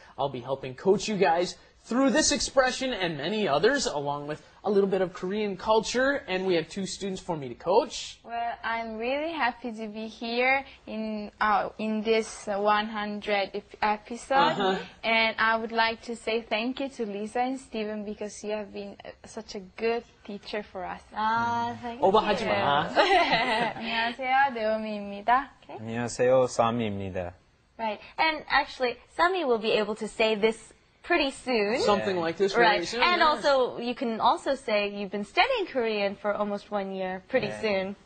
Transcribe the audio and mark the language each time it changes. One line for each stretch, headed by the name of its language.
English: I'll be helping coach you guys through this expression and many others, along with a little bit of Korean culture, and we have two students for me to coach. Well, I'm really happy to be here in this 100th episode, and I would like to say thank you to Lisa and Steven because you have been such a good teacher for us. Ah, thank you.
Korean: 오버하지 마. 안녕하세요, 네오미입니다. 안녕하세요, 사미입니다.
English: Right, and actually, Sami will be able to say this pretty soon. Something like this right. very soon. And also, you can also say you've been studying Korean for almost 1 year pretty soon.